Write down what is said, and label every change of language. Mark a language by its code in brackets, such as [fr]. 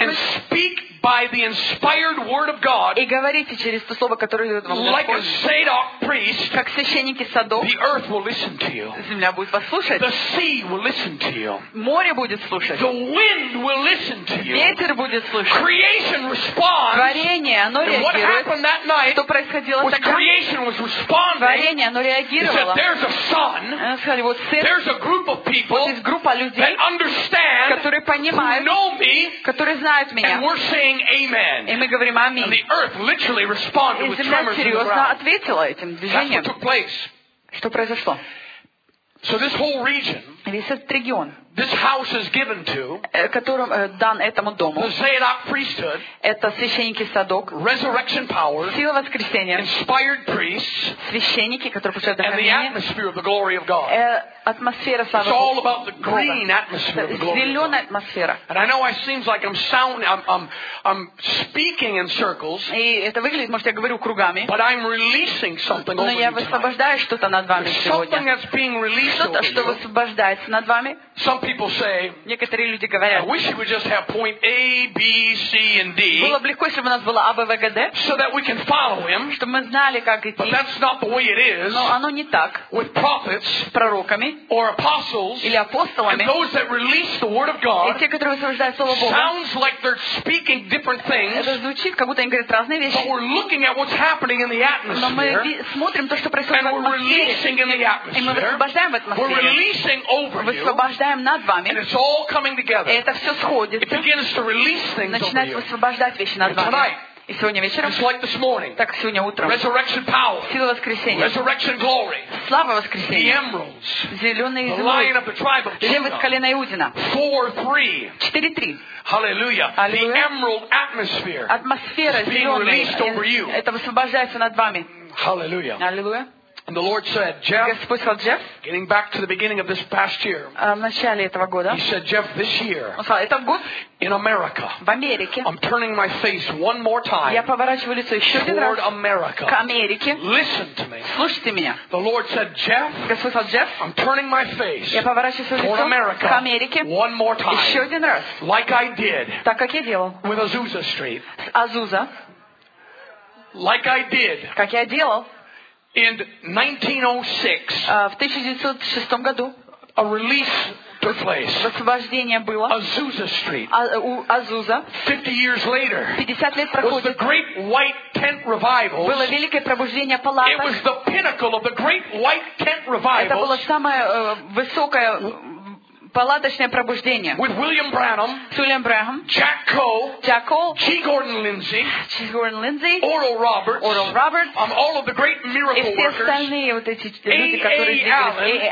[en] and speak by the inspired word of God, [ru] и говорите через то слово, которое дает вам Господь, [en] like a Zadok priest, [ru] как священники Sadok, [en] the earth will listen to you. [ru] Земля будет вас слушать. [en] The sea will listen to you. [ru] Море будет слушать. [en] The wind will listen to you. [ru] Ветер будет слушать. [en] Creation responds. [ru] Творение, оно реагирует. [en] And what happened that night? [ru] Что происходило тогда? [en] Creation was responding. [ru] Творение, оно реагировало. [en] It said, there's a sun. [ru] Оно сказали, вот свет. [en] There's a group of people. [ru] Вот есть группа людей. [en] Understand, [ru] которые понимают, [en] know me, [ru] которые знают меня, [en] and we're saying amen. [ru] И мы говорим аминь. [en] And the earth literally responded with tremors. [ru] И земля серьезно ответила этим движением. [en] That's what took place. [ru] Что произошло? [en] So this whole region, [ru] весь этот регион, [en] this house is given to, [ru] которым дан этому дому, [en] the Zadok priesthood, [ru] это священники Sadok, [en] resurrection power, [ru] сила воскресения, [en] inspired priests, [ru] священники, которые получают [en] вдохновение, and the atmosphere of the glory of God. [ru] Атмосфера славы. [en] It's all about the green atmosphere of the glory. [ru] Зеленая атмосфера. [en] And I know it seems like I'm speaking in circles. [ru] И это выглядит, может, я говорю кругами. [en] But I'm releasing something over you. [ru] Но я высвобождаю что-то над вами сегодня. [en] Something that's being released over you. [ru] Что-то, что высвобождается над вами. [en] Some people say. [ru] Некоторые люди говорят. [en] I wish you would just have point A, B, C, and D. [ru] Было бы легко, если бы у нас было А, Б, В, Г, Д. [en] So that we can follow him. [ru] Чтобы мы знали, как идти. [en] But that's not the way it is. [ru] Но оно не так. [en] With prophets. [ru] Пророками. [en] Or apostles, [ru] или апостолами, [en] and those that release the word of God, [ru] и те, которые высвобождают слово Бога, [en] sounds like they're speaking different things. [ru] Это звучит, как будто они говорят разные вещи. [en] But we're looking at what's happening in the atmosphere. [ru] Но мы смотрим то, что происходит в атмосфере. [en] And we're releasing in the atmosphere. [ru] И мы высвобождаем в атмосфере. [en] We're releasing, O over you. [ru] Высвобождаем над вами. [en] And it's all coming together. [ru] И это все сходится. [en] It begins to release things [ru] Начинает [en] over you. [ru] Высвобождать вещи над вами. [en] Tonight. [ru] И сегодня вечером, [en] just like this morning, [ru] так сегодня утром, [en] resurrection power, [ru] сила воскресения, [en] resurrection glory, [ru] слава воскресения, [en] the emeralds, [ru] зеленые изумруды, львы из колена Иудина, [en] 4-3, hallelujah, the emerald atmosphere, [ru] атмосфера зеленая, это высвобождается над вами, [en] hallelujah. And the Lord said, Jeff, getting back to the beginning of this past year, he said, Jeff, this year, in America, I'm turning my face one more time toward America. Listen to me. The Lord said, Jeff, I'm turning my face toward America one more time, like I did with Azusa Street, like I did. In 1906, [ru] в 1906 году, [en] a release took place. [ru] Освобождение было. [en] Azusa Street. Azusa. 50 years later, [ru] 50 лет проходит. [en] Was the Great White Tent Revival. [ru] Было великое пробуждение палаток. [en] It was the pinnacle of the Great White Tent Revival. [ru] Это было самое высокое палаточное пробуждение. [en] With William Branham, [ru] с Уильям Бранхам, [en] Jack Cole, Jack Cole, G. Gordon Lindsay, Oral Roberts, all of the great miracle workers, [ru] и все остальные вот эти люди, которые здесь,